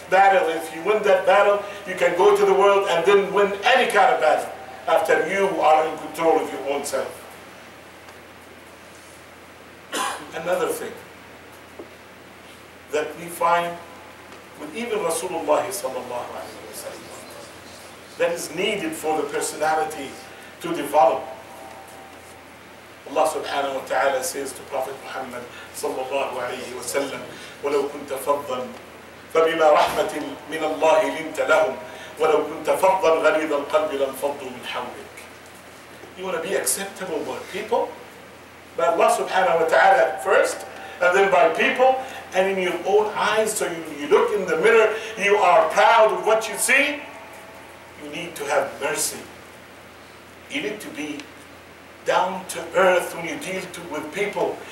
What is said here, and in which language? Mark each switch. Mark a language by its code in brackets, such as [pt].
[en] battle, if you win that battle, you can go to the world and then win any kind of battle after you are in control of your own self. Another thing that we find with even Rasulullah sallallahu alayhi wa sallam that is needed for the personality to develop. Allah subhanahu wa ta'ala says to Prophet Muhammad sallallahu alayhi wa sallam, [ar] وَلَوْ كُنْتَ فَضًّا فَبِمَا رَحْمَةٍ مِنَ اللَّهِ لِنْتَ لَهُمْ وَلَوْ كُنْتَ فَضًّا غَلِيظَ الْقَلْبِ لَانْفَضُّوا مِنْ حَوْلِكَ. [en] You want to be acceptable by people? By Allah subhanahu wa ta'ala first, and then by people, and in your own eyes, so you look in the mirror, you are proud of what you see. You need to have mercy. You need to be down to earth when you deal with people.